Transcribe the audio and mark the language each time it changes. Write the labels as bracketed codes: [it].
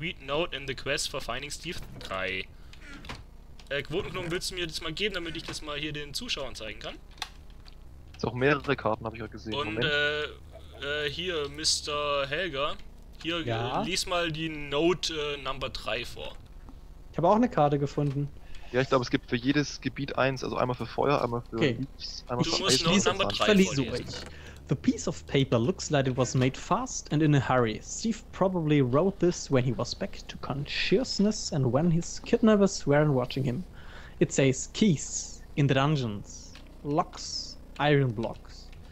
[en] Read note in the quest for finding Steve 3. [de] Quotenknochen, willst du mir das mal geben, damit ich das mal hier den Zuschauern zeigen kann? Ist auch mehrere Karten, habe ich gerade gesehen. Und hier, Mr. Helga. Hier, lies mal die Note Number 3 vor. Ich habe auch eine Karte gefunden. Ja, ich glaube, es gibt für jedes Gebiet eins, also einmal für Feuer, einmal für einmal du für Eis. Du musst Note Number 3 vorlesen. [en] The piece of paper looks like it was made fast and in a hurry. Steve probably wrote this when he was back to consciousness and when his kidnappers weren't watching him. It says keys in the dungeons, locks, iron blocks.